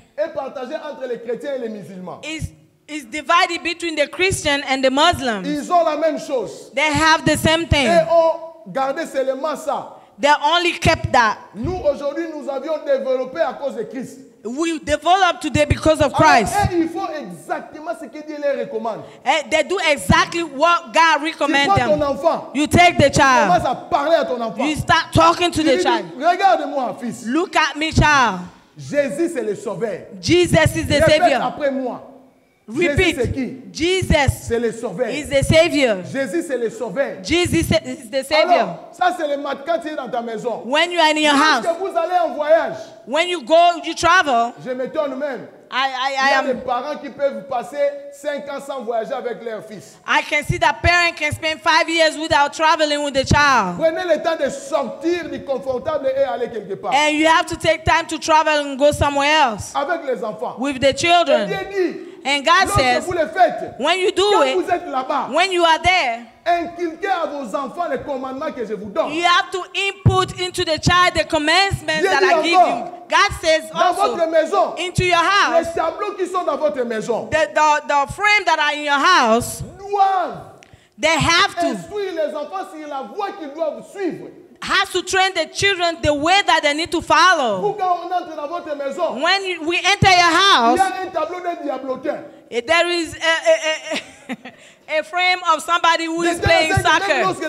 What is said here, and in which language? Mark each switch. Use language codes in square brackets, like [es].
[fr] est partagé entre les chrétiens et les musulmans. [en] Is divided between the Christian and the Muslim. [fr] Ils ont la même chose. [en] They have the same thing. [fr] Et ont gardé seulement ça. [en] They only kept that. [fr] Nous, aujourd'hui, nous avions développé à cause de Christ. [en] We developed today because of Christ. [fr] Alors, ils font exactement ce que Dieu les recommande. [en] They do exactly what God recommends them. [fr] Tu prends ton enfant. [en] You take the child. [fr] Tu commences à parler à ton enfant. [en] You start talking to the child. [fr] Regarde-moi, fils. [en] Look at me, child. [fr] Jésus est le sauveur. [en] Jesus is the savior. [fr] Répète après moi. [en] Repeat. [fr] Jésus, c'est qui? [en] Jesus. [fr] C'est le sauveur. [en] Is the savior. [fr] Jésus, c'est le sauveur. [en] Jesus is the savior. [fr] Alors, ça c'est le matin quand tu es dans ta maison. [en] When you are in your house. [fr] Lorsque vous allez en voyage. [en] When you go, you travel. [fr] Je m'étonne même. [en] I am. [fr] Il y a des parents qui peuvent passer 5 ans sans voyager avec leur fils. [en] I can see that parents can spend 5 years without traveling with the child. [fr] Prenez le temps de sortir du confortable et aller quelque part. [en] And you have to take time to travel and go somewhere else. [fr] Avec les enfants. [en] With the children. [fr] Et Dieu dit, [en] and God says, [fr] vous le faites, [en] when you do [fr] quand [en] it, [fr] vous êtes là-bas, [en] when you are there, [fr] inculquez à vos enfants les commandements que je vous donne. [en] You have to input into the child the commandments that I give you. God says [fr] dans [en] also, [fr] votre maison, [en] into your house, [fr] les tableaux qui sont dans votre maison, [en] the frame that are in your house, [fr] doivent, [en] they have to, [fr] instruire les enfants sur la voie qu'ils doivent suivre. [en] Has to train the children the way that they need to follow. When we enter your house, there is a frame of somebody who is playing soccer.